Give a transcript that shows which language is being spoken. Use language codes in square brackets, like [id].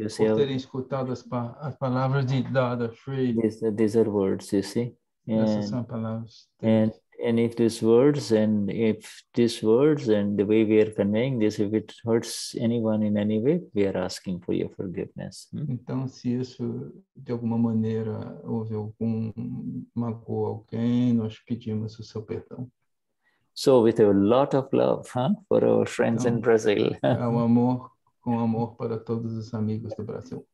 [pt] Por terem escutado as palavras de Dadashri. [en] These are words, you see. [pt] Essas são palavras. [en] And if these words and the way we are conveying this, if it hurts anyone in any way, we are asking for your forgiveness. [pt] Então, se isso de alguma maneira houve algum magoa alguém, nós pedimos o seu perdão. [en] So, with a lot of love, for our friends in Brazil. [pt] com amor para todos os amigos do Brasil.